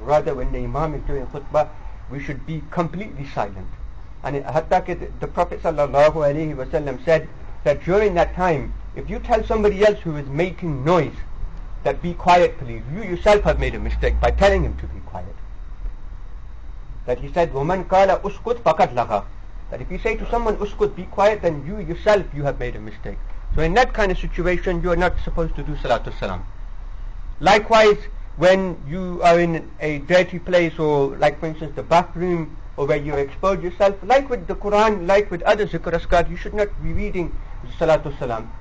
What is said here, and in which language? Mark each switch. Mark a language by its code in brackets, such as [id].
[en] Rather, when the Imam is doing khutbah, we should be completely silent. And hatta the Prophet sallallahu alayhi wa sallam said that during that time, if you tell somebody else who is making noise that be quiet please, you yourself have made a mistake by telling him to be quiet. That he said, [ar] وَمَنْ قَالَ أُسْكُتْ فَقَدْ لَغَى. [en] That if you say to someone, أُسْكُتْ, be quiet, then you yourself, you have made a mistake. So in that kind of situation, you are not supposed to do salatu salam. Likewise, when you are in a dirty place, or like for instance the bathroom, or where you expose yourself, like with the Quran, like with other zikr askar, you should not be reading salatu salam.